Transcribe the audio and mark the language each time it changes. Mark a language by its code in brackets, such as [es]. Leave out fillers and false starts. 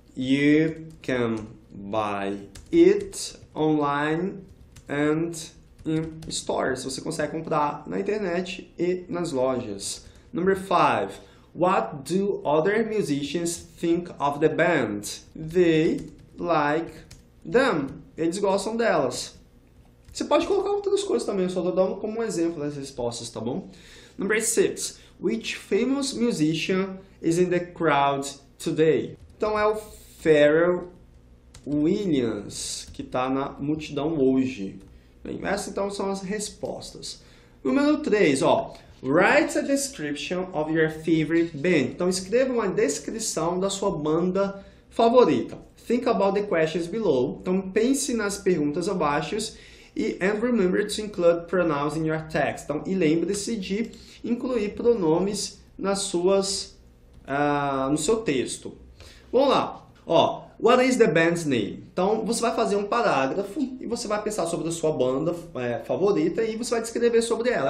[en] You can buy it online and in stores. [pt] Você consegue comprar na internet e nas lojas. [en] Number 5. What do other musicians think of the band? They like them. [pt] Eles gostam delas. Você pode colocar outras coisas também, eu só estou dando como um exemplo das respostas, tá bom? [en] Number 6. Which famous musician is in the crowd today? [pt] Então é o Pharrell Williams, que está na multidão hoje. Bem, essas então são as respostas. Número 3, ó. [en] Write a description of your favorite band. [pt] Então escreva uma descrição da sua banda favorita. [en] Think about the questions below. [pt] Então pense nas perguntas abaixo. [en] And remember to include pronouns in your text. [pt] Então, e lembre-se de incluir pronomes nas suas, no seu texto. Vamos lá. Ó, [en] what is the band's name? [pt] Então, você vai fazer um parágrafo e você vai pensar sobre a sua banda favorita e você vai descrever sobre ela.